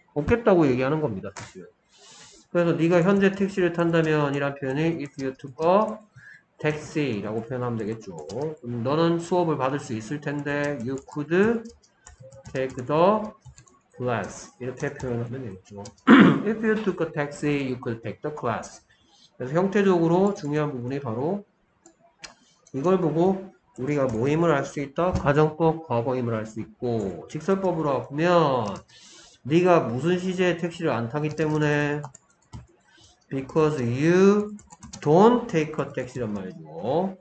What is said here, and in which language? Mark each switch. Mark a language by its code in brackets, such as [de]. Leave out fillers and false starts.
[ko] 없겠다고 얘기하는 겁니다. 사실. 그래서 네가 현재 택시를 탄다면 이란 표현이 [en] if you took a [ko] 택시라고 표현하면 되겠죠. 너는 수업을 받을 수 있을 텐데, [en] you could take the class. [ko] 이렇게 표현하면 되겠죠. [en] If you took a taxi, you could take the class. [ko] 그래서 형태적으로 중요한 부분이 바로 이걸 보고 우리가 뭐임을 알수 있다? 가정법 과거임을 알수 있고, 직설법으로 하면 네가 무슨 시제에 택시를 안 타기 때문에 [en] because you Don't take a taxi [ko] 란 말이죠.